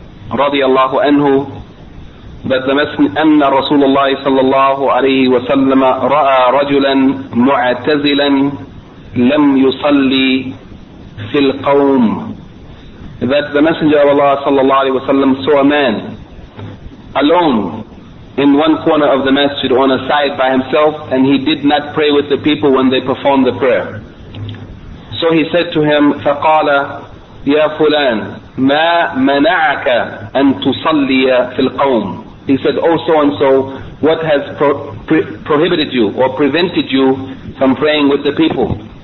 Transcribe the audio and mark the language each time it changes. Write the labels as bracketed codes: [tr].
[en] radiallahu anhu, that the Messenger Rasulullah sallallahu alayhi wa sallam [ar] ra'a rajulan mu'tazilan lam yusalli fil qawm, [en] that the Messenger of Allah sallallahu alayhi wa sallam saw a man alone in one corner of the masjid on a side by himself, and he did not pray with the people when they performed the prayer. So he said to him, [ar] فَقَالَ يَا فُلَان مَا مَنَعَكَ أَن تُصَلِّيَ فِي الْقَوْمِ. [en] He said, oh so-and-so, what has prohibited you or prevented you from praying with the people?